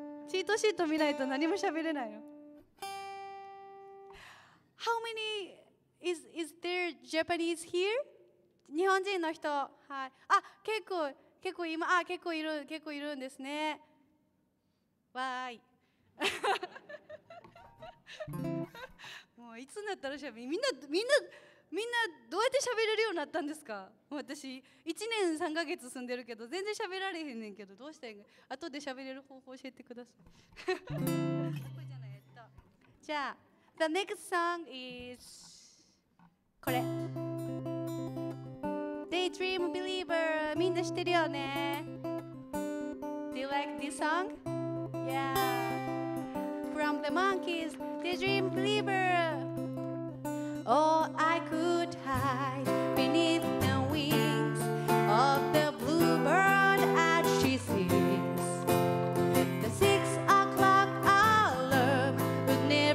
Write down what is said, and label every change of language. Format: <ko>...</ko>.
<ja>Cheat sheet minai to nani mo shaberenai yo.</ja> <en>How many Is there Japanese here?</en> <ja>日本人の人、はい。あ、結構、結構今、あ、結構いる、結構いるんですね。わーい。もういつになったらしゃべる、みんなどうやってしゃべれるようになったんですか？私、1年3ヶ月住んでるけど、全然しゃべられへんねんけど、どうしたらいいの？後でしゃべれる方法教えてください。じゃあ、</ja> <en>The next song is...</en> <ja>これ</ja> <en>Daydream Believer</en> <ja>みんな知ってるよね</ja> <en>Do you like this song? Yeah From the monkeys Daydream Believer Oh, I could hide beneath the wings of the bluebird as she sings The 6 o'clock alarm would</en>